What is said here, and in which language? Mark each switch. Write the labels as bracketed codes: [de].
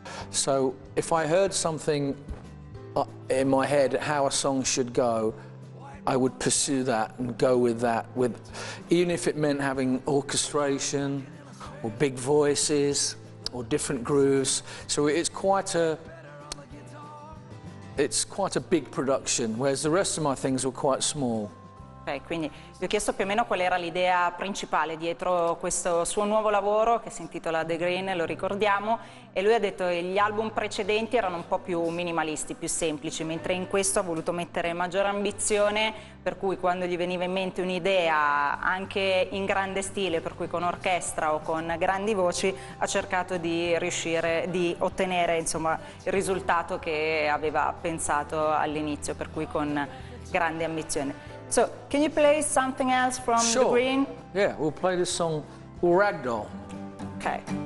[en] So if I heard something in my head, how a song should go, I would pursue that and go with that, with even if it meant having orchestration or big voices or different grooves. So it's quite a big production, whereas the rest of my things were quite small. [it] Okay, quindi vi ho chiesto più o meno qual era l'idea principale dietro questo suo nuovo lavoro che si intitola The Green, lo ricordiamo, e lui ha detto che gli album precedenti erano un po' più minimalisti, più semplici, mentre in questo ha voluto mettere maggiore ambizione, per cui quando gli veniva in mente un'idea anche in grande stile, per cui con orchestra o con grandi voci, ha cercato di riuscire di ottenere, insomma, il risultato che aveva pensato all'inizio, per cui con grande ambizione. [en] So, can you play something else from sure. The Green? Yeah, we'll play this song, Ragdoll. Okay.